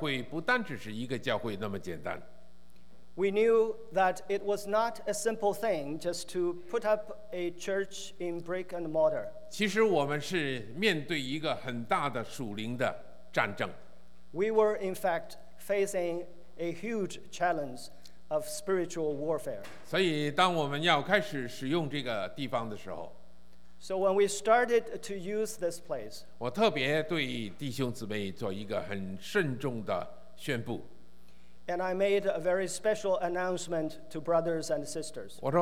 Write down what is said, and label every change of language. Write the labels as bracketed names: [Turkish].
[Chinese] 我知道我们在这个地方所建立的教会不单只是一个教会那么简单。 [English] We knew that it was not a simple thing just to put up a church in brick and mortar. [Chinese] 其实我们是面对一个很大的属灵的战争。 [English] We were in fact facing a huge challenge of spiritual warfare. [Chinese] 所以当我们要开始使用这个地方的时候， [English] So when we started to use this place, [Chinese] 我特别对弟兄姊妹做一个很慎重的宣布。 [English] And I made a very special announcement to brothers and sisters.